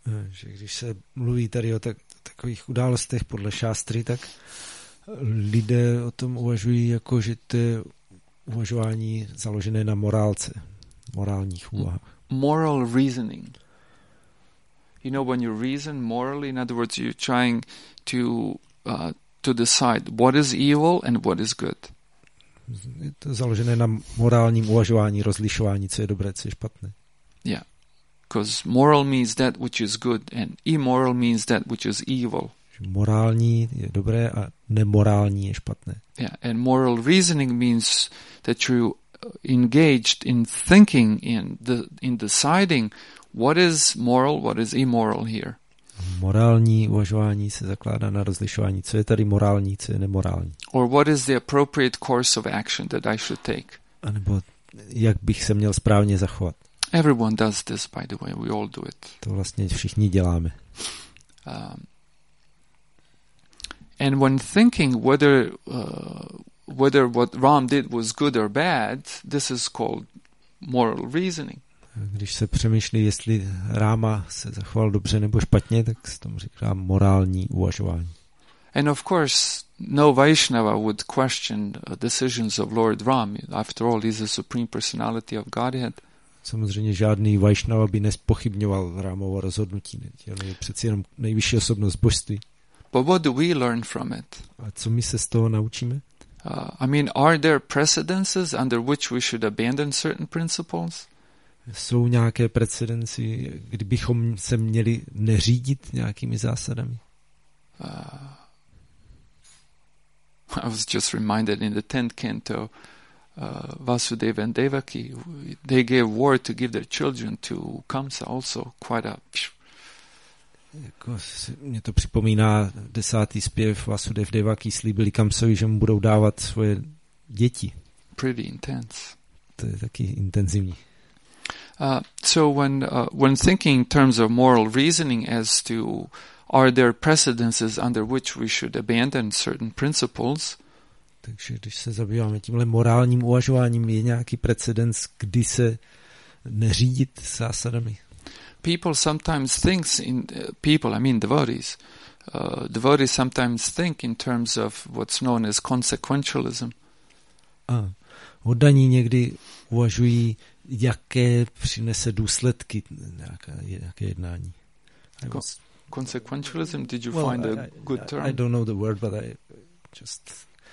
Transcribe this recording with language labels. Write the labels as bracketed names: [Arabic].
[Czech] Že když se mluví tady o tak, takových událostech podle šástry, tak lidé o tom uvažují jako, že to je uvažování založené na morálce, morálních úvahách. [English] Moral reasoning. You know, when you reason morally, in other words, you're trying to decide what is evil and what is good. [Czech] Je to založené na morálním uvažování, rozlišování, co je dobré, co je špatné. [English] Yeah. Because moral means that which is good and immoral means that which is evil. [Czech] Morální je dobré a nemorální je špatné. [English] Yeah, and moral reasoning means that you engaged in thinking in deciding what is moral, what is immoral here. [Czech] Morální uvažování se zakládá na rozlišování, co je tady morální, co je nemorální. [English] Or what is the appropriate course of action that I should take? [Czech] A nebo jak bych se měl správně zachovat? [English] Everyone does this, by the way. We all do it. [Czech] To vlastně všichni děláme. [English] And when thinking whether whether what Ram did was good or bad, this is called moral reasoning. [Czech] Když se přemýšlí, jestli Ráma se zachoval dobře nebo špatně, tak se tomu říká morální uvažování. [English] And of course, no Vaishnava would question decisions of Lord Ram. After all, he's the supreme personality of Godhead. [Czech] Samozřejmě žádný Vaishnava by nespochybňoval Rámovo rozhodnutí. Ale je přeci jenom nejvyšší osobnost božství. [English] But what do we learn from it? [Czech] A co my se z toho naučíme? [English] Are there precedences under which we should abandon certain principles? [Czech] Jsou nějaké precedenci, kdybychom se měli neřídit nějakými zásadami? [English] I was just reminded in the 10th canto, Vasudeva and Devaki, they gave war to give their children to Kamsa also quite a... [Czech] Jako mě to připomíná 10. zpěv Vasudev Devaki slíbili Kamsovi, že mu budou dávat svoje děti. [English] Pretty intense. [Czech] To je taky intenzivní. [English] So when thinking in terms of moral reasoning as to are there precedences under which we should abandon certain principles... [Czech] Takže když se zabýváme tímhle morálním uvažováním, je nějaký precedens, kdy se neřídit zásadami? [English] People sometimes think in people, I mean devotees. Devotees sometimes think in terms of what's known as consequentialism. [Czech] Oddaní někdy uvažují, jaké přinese důsledky nějaké jednání. [English] Consequentialism, did you find a good term? I don't know the word, but I just...